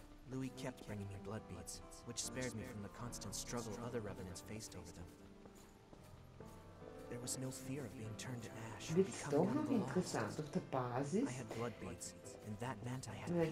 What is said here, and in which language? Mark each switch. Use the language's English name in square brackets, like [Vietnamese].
[English] Louis kept bringing me blood beads, which spared me from the constant struggle other revenants faced over them. There was no fear of being turned to ash. [German] Wird's doch noch interessant auf der Basis. [English] I had blood beads, and that meant I had